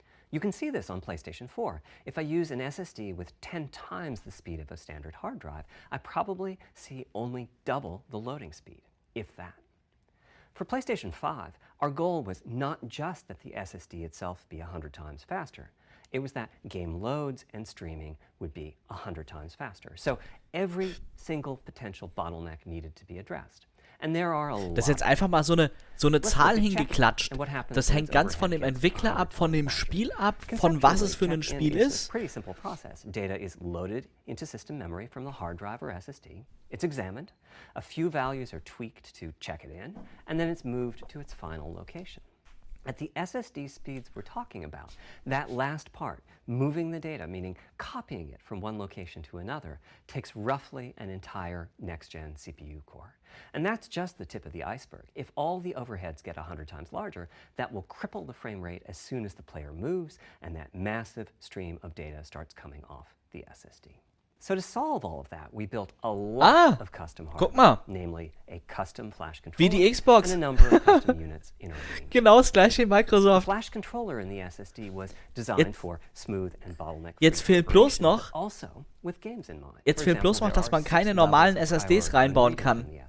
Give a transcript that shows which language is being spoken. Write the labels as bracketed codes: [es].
[en] You can see this on PlayStation 4. If I use an SSD with 10 times the speed of a standard hard drive, I probably see only double the loading speed, if that. For PlayStation 5, our goal was not just that the SSD itself be 100 times faster. It was that game loads and streaming would be 100 times faster. So every single potential bottleneck needed to be addressed. And there are a lot. [de] Das ist jetzt einfach mal so eine Zahl hingeklatscht. Das hängt ganz von dem Entwickler ab, von dem Spiel ab, von was es für ein Spiel ist. [en] Pretty simple process. Data is loaded into system memory from the hard drive or SSD. It's examined. A few values are tweaked to check it in. And then it's moved to its final location. At the SSD speeds we're talking about, that last part, moving the data, meaning copying it from one location to another, takes roughly an entire next-gen CPU core. And that's just the tip of the iceberg. If all the overheads get 100 times larger, that will cripple the frame rate as soon as the player moves and that massive stream of data starts coming off the SSD. So to solve all of that, we built a lot of custom hardware, [de] guck mal. [en] Namely a custom flash controller [de] wie die Xbox. [en] And a number of custom units in our game. [de] Genau das gleiche in Microsoft. [en] The flash controller in the SSD was designed jetzt, for smooth and bottleneck. [de] Jetzt fehlt bloß noch, [en] also with games in mind. [de] Jetzt fehlt bloß noch, dass man keine normalen SSDs reinbauen kann.